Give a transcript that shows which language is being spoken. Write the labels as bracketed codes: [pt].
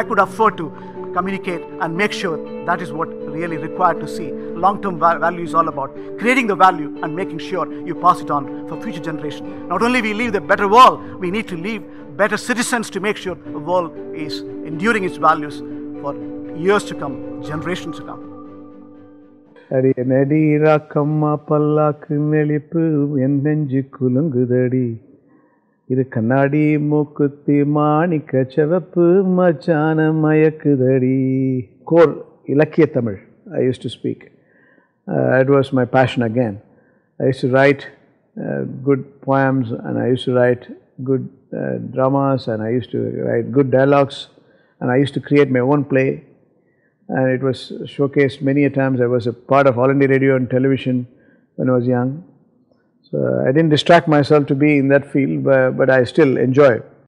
[en] I could afford to communicate and make sure that is what really required to see long-term value is all about, creating the value and making sure you pass it on for future generation. Not only we leave the better world, we need to leave better citizens to make sure the world is enduring its values for years to come, generations to come. [ta] அடி நடி ராக்கம்மா பல்லாக்கு நெளிப்பு என் நெஞ்சு குலுங்குதடி, இது கண்ணாடி மூக்குத்தி மாணிக்க சிவப்பு மச்சான மயக்குதடி. [en] கோர் இலக்கிய Tamil I used to speak. It was my passion again. I used to write good poems and I used to write good dramas and I used to write good dialogues and I used to create my own play. And it was showcased many a times. I was a part of All India Radio and television when I was young. So I didn't distract myself to be in that field, but I still enjoy it.